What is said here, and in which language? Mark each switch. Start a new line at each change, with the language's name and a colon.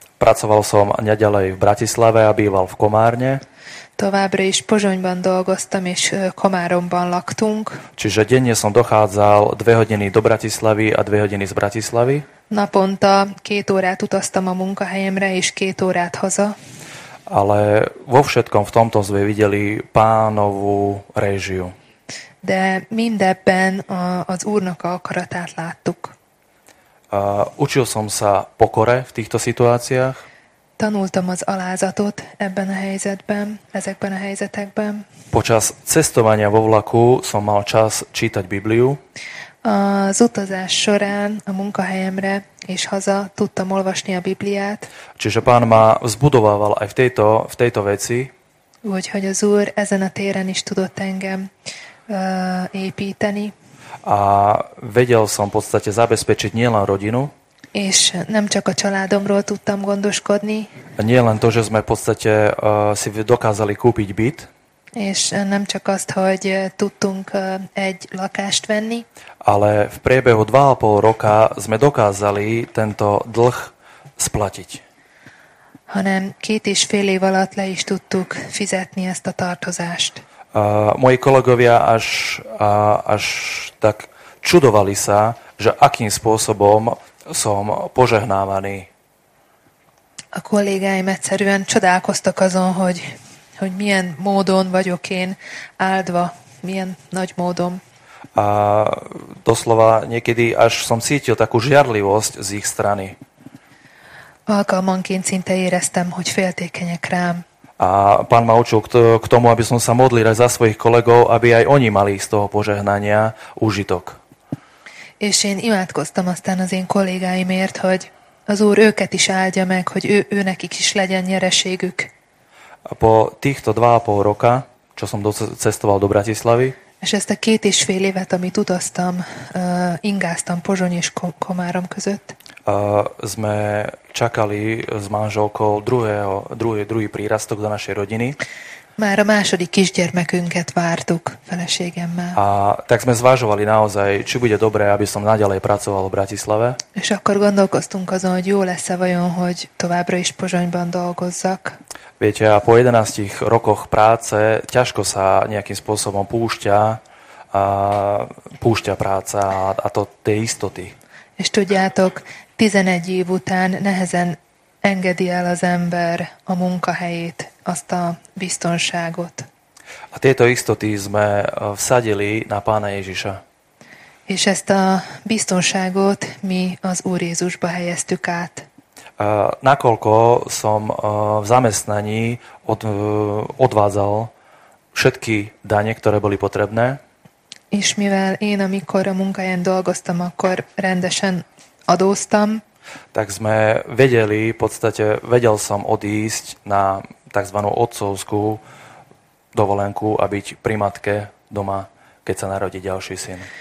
Slovak: Pracoval som neďalej v Bratislave a býval v Komárne.
Hungarian: Továbbra is Pozsonyban dolgoztam, és Komáromban laktunk.
Slovak: Čiže denne som dochádzal 2 hodiny do Bratislavy a 2 hodiny z Bratislavy.
Hungarian: Naponta 2 órát utaztam a munkahelyemre, és 2 órát haza.
Slovak: Ale vo všetkom v tomto sme videli Pánovu réžiu.
Hungarian: De mindebben az Úrnak akaratát láttuk.
Slovak: Učil som sa pokore v týchto situáciách.
Hungarian: Tanultam az alázatot ebben a helyzetben, ezekben a helyzetekben.
Slovak: Počas cestovania vo vlaku som mal čas čítať Bibliu.
Hungarian: Az utazás során a munkahelyemre és haza tudtam olvasni a Bibliát.
Slovak: Čiže Pán ma vzbudovával aj v tejto veci.
Hungarian: Úgyhogy az Úr ezen a téren is tudott engem építeni.
Slovak: A vedel som v podstate zabezpečiť nielen rodinu.
Hungarian: És nem csak a családomról tudtam gondoskodni.
Slovak: Nie len to, že sme v podstate si dokázali kúpiť byt.
Hungarian: És nem csak azt, hogy tudtunk egy lakást venni.
Slovak: Ale v priebehu 2,5 roka sme dokázali tento dlh splatiť.
Hungarian: Hanem 2,5 év alatt le is tudtuk fizetni ezt a tartozást.
Slovak: Moji kolegovia až tak čudovali sa, že akým spôsobom som požehnávaný.
Hungarian: A kollégáim egyszerűen csodálkoztak azon, hogy milyen módon vagyok én áldva, milyen nagy módon.
Slovak: A doslova niekedy až som cítil takú žiarlivosť z ich strany.
Hungarian: Alkalmanként szinte éreztem, hogy féltékenyek rám.
Slovak: A pán ma učil k tomu, aby som sa modlil aj za svojich kolegov, aby aj oni mali z toho požehnania úžitok.
Hungarian: És én imádkoztam aztán az én kollégáimért, hogy az Úr őket is áldja meg, hogy ő nekik is legyen nyereségük.
Slovak: A po týchto 2,5 roka, čo som cestoval do Bratislavy,
Hungarian: és ezt a 2,5 évet, amit utaztam, ingáztam Pozsony és Komárom között,
Slovak: Sme čakali s manželkou druhý prírastok do našej rodiny.
Hungarian: Már a második kisgyermekünket vártuk feleségemmel.
Slovak: A tak sme zvážovali naozaj, či bude dobré, aby som naďalej pracoval v Bratislave.
Hungarian: És akkor gondolkoztunk azon, hogy jó lesz-e vajon, hogy továbbra is Pozsonyban dolgozzak.
Slovak: Viete, a po 11 rokoch práce ťažko sa nejakým spôsobom púšťa práca a to tie istoty.
Hungarian: És tudjátok, 11 év után nehezen engedi el az ember a munkahelyét, azt a biztonságot.
Slovak: A tieto istoty sme vsadili na Pána Ježiša.
Hungarian: És ezt a biztonságot mi az Úr Jézusba helyeztük át.
Slovak: Nakoľko som v zamestnaní odvádzal všetky dane, ktoré boli potrebné.
Hungarian: És mivel én, amikor a munkahelyen dolgoztam, akkor rendesen adóztam.
Slovak: Tak sme vedeli, v podstate vedel som odísť na takzvanú otcovskú dovolenku a byť pri matke doma, keď sa narodí ďalší syn.